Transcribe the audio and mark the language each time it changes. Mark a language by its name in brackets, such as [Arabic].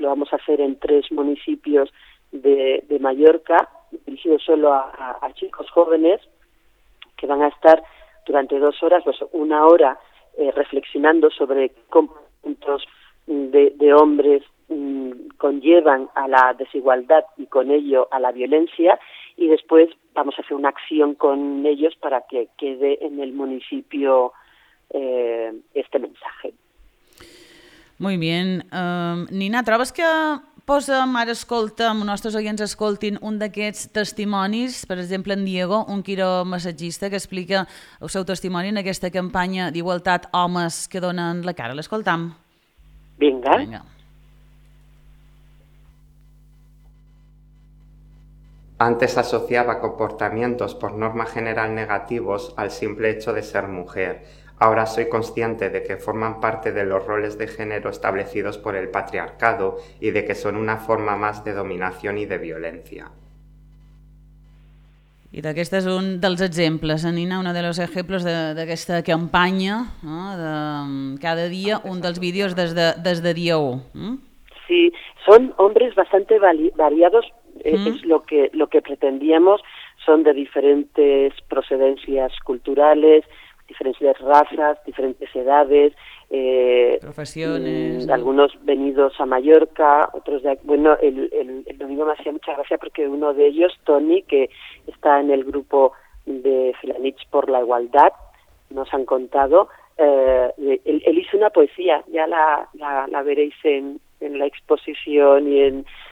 [Spanish] Lo vamos a hacer en tres municipios de Mallorca, dirigido solo a chicos jóvenes, que van a estar durante 2 horas, pues una hora reflexionando sobre comportamientos de hombres conllevan a la desigualdad y con ello a la violencia, y después vamos a hacer una acción con ellos para que quede en el municipio este mensaje. Muy bien. [Catalan] Nina, ¿trobes que posa'm ara, escolta'm, nostres oients escoltin un d'aquests testimonis, per exemple en Diego, un quiromassagista que explica el seu testimoni en aquesta campanya d'igualtat homes que donen la cara? L'escoltam. Vinga. Vinga. [Spanish] Antes asociaba comportamientos por norma general negativos al simple hecho de ser mujer. Ahora soy consciente de que forman parte de los roles de género establecidos por el patriarcado y de que son una forma más de dominación y de violencia. [Catalan] I d'aquest és un dels exemples, Nina, un dels exemples d'aquesta campanya, no? Cada dia un dels vídeos des de dia 1. Sí, són homes [Spanish] bastante variados. Es lo que pretendíamos, son de diferentes procedencias culturales, diferentes razas, diferentes edades, profesiones, algunos venidos a Mallorca, otros de aquí. Bueno, el domingo me hacía mucha gracia porque uno de ellos, Tony, que está en el grupo de Filanich por la Igualdad, nos han contado, él hizo una poesía, ya la veréis en la exposición y en...